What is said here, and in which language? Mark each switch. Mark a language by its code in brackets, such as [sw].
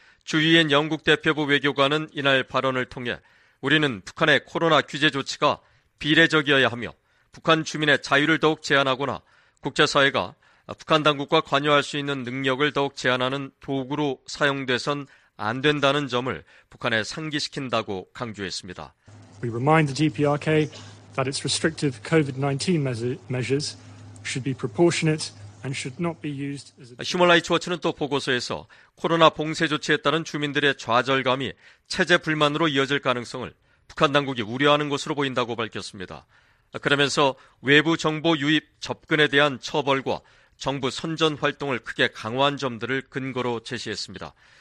[ko] 주유엔 영국 대표부 외교관은 이날 발언을 통해 우리는 북한의 코로나 규제 조치가 비례적이어야 하며 북한 주민의 자유를 더욱 제한하거나 국제사회가 북한 당국과 관여할 수 있는 능력을 더욱 제한하는 도구로 사용돼선 안 된다는 점을 북한에 상기시킨다고 강조했습니다. [en] We remind the DPRK that its restrictive COVID-19 measures should be proportionate and should not be used as a [ko] 휴먼라이츠워치는 또 보고서에서 코로나 봉쇄 조치에 따른 주민들의 좌절감이 체제 불만으로 이어질 가능성을 북한 당국이 우려하는 것으로 보인다고 밝혔습니다. 그러면서 외부 정보 유입 접근에 대한 처벌과 정부 선전 활동을 크게 강화한 점들을 근거로 제시했습니다.